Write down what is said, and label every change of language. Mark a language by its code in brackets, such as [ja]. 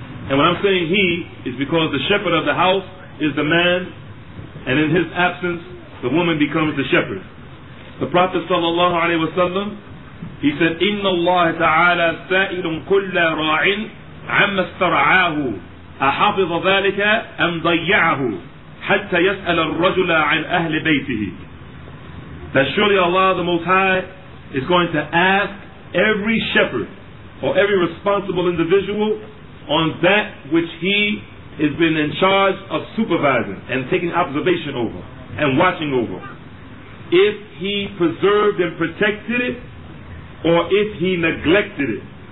[en] And when I'm saying he, is because the shepherd of the house is the man, and in his absence, the woman becomes the shepherd. The Prophet sallallahu alaihi wasallam, he said, [ar] إِنَّ اللَّهَ تَعَالَى سَائِلٌ كُلَّ رَاعٍ عَمَّ اسْتَرْعَاهُ أَحَافِظَ ذَلِكَ أَمْ ضَيَّعَهُ حتى يسأل الرجل عن أهل بيته. [en] That surely Allah the Most High is going to ask every shepherd or every responsible individual on that which he has been in charge of supervising and taking observation over and watching over, if he preserved and protected it or if he neglected it.